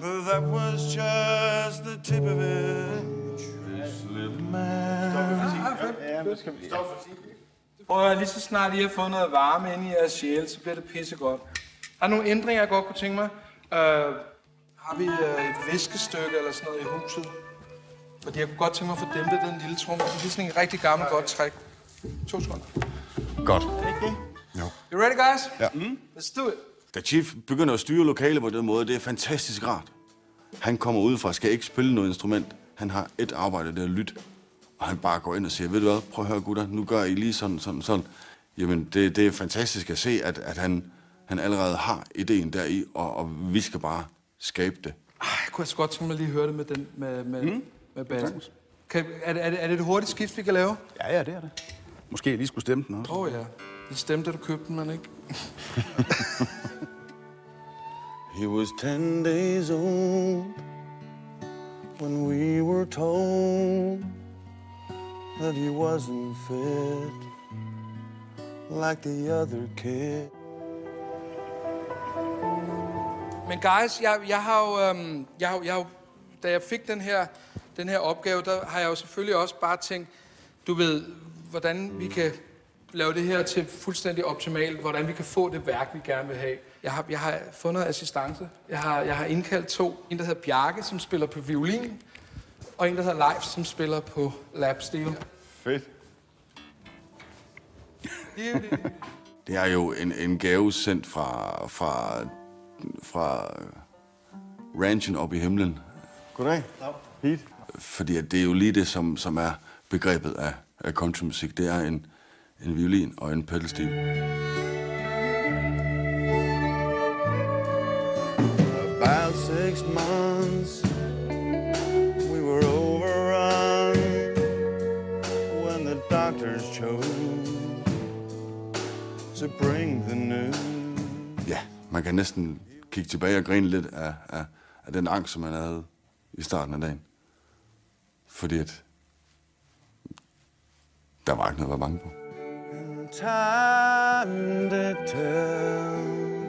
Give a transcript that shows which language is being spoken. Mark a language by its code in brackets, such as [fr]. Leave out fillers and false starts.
[en] But that was just the tip of it. [da] Stop for sig. Stop for sig. Prøv at lige så snart I har fået noget varme ind i jeres sjæl, så bliver det pissegodt. Har du nogle ændringer, jeg godt kunne tænke mig? Har vi et viskestykke eller sådan noget i huset? Fordi jeg kunne godt tænke mig at få dæmpet den lille trumme. Det er sådan en rigtig gammel godt træk. 2 sekunder. Godt. Okay. Jo. [en] You ready, guys? [da] Ja. [en] Let's do it. [da] Da Chief begynder at styre lokale på den måde, det er fantastisk rart. Han kommer udefra, skal ikke spille noget instrument. Han har et arbejde, det er lyt. Og han bare går ind og siger, ved du hvad, prøv at høre gutter, nu gør I lige sådan. Jamen, det er fantastisk at se, at han allerede har ideen deri, og vi skal bare skabe det. Ej, jeg kunne altså godt tænke mig lige at høre det med bassen. Okay. Er det et hurtigt skift, vi kan lave? Ja, det er det. Måske lige skulle stemme den også. Åh, ja. Det stemte, da du købte den, men ikke? [en] He was 10 days old when we were told that he wasn't fit like the other kid. [da] Men guys, jeg har jo, da jeg fik den her opgave, der har jeg jo selvfølgelig også bare tænkt, du ved, hvordan vi kan lave det her til fuldstændig optimalt, hvordan vi kan få det værk, vi gerne vil have. Jeg har fundet assistance. Jeg har indkaldt to. En, der hedder Bjarke, som spiller på violin, og en, der hedder Leif, som spiller på lap steel. Fedt. Det er jo en gave sendt fra ranchen op i himlen. Goddag. Pete. Fordi at det er jo lige det, som er begrebet af countrymusik. Det er en violin og en pedalstil. [en] About 6 months we were overrun when the doctors chose to bring the news. [da] Ja, man kan næsten kigge tilbage og grine lidt af den angst, som man havde i starten af dagen. Fordi at der var ikke noget at være bange på. [en] Time to